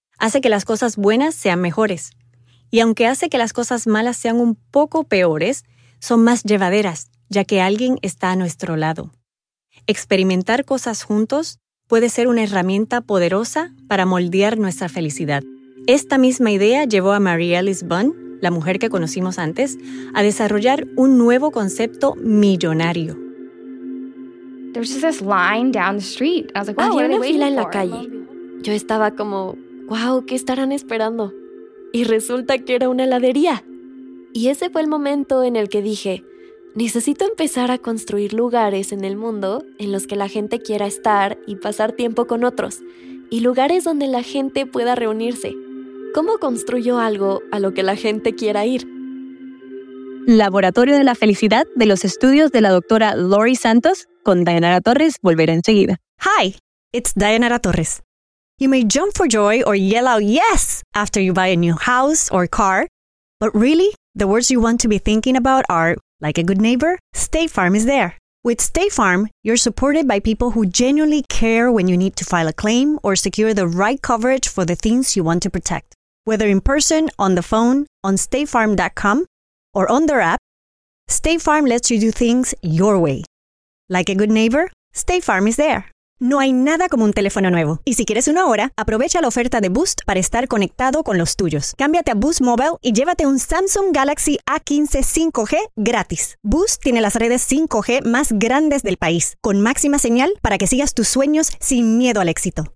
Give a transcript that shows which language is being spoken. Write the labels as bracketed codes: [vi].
[es] Hace que las cosas buenas sean mejores. Y aunque hace que las cosas malas sean un poco peores, son más llevaderas, ya que alguien está a nuestro lado. Experimentar cosas juntos puede ser una herramienta poderosa para moldear nuestra felicidad. Esta misma idea llevó a Mary Alice Bunn, la mujer que conocimos antes, a desarrollar un nuevo concepto millonario. [en] There's just this line down the street. I was like, wow, [es] había una fila [en] for? [es] En la calle. Yo estaba como, wow, ¿qué estarán esperando? Y resulta que era una heladería. Y ese fue el momento en el que dije, necesito empezar a construir lugares en el mundo en los que la gente quiera estar y pasar tiempo con otros, y lugares donde la gente pueda reunirse. ¿Cómo construyo algo a lo que la gente quiera ir? Laboratorio de la Felicidad, de los estudios de la doctora Lori Santos, con Dayanara Torres, volverá enseguida. [en] Hi, it's Dayanara Torres. You may jump for joy or yell out yes after you buy a new house or car, but really, the words you want to be thinking about are, like a good neighbor, State Farm is there. With State Farm, you're supported by people who genuinely care when you need to file a claim or secure the right coverage for the things you want to protect. Whether in person, on the phone, on statefarm.com, or on their app, State Farm lets you do things your way. Like a good neighbor, State Farm is there. [es] No hay nada como un teléfono nuevo. Y si quieres uno ahora, aprovecha la oferta de Boost para estar conectado con los tuyos. Cámbiate a Boost Mobile y llévate un Samsung Galaxy A15 5G gratis. Boost tiene las redes 5G más grandes del país, con máxima señal para que sigas tus sueños sin miedo al éxito.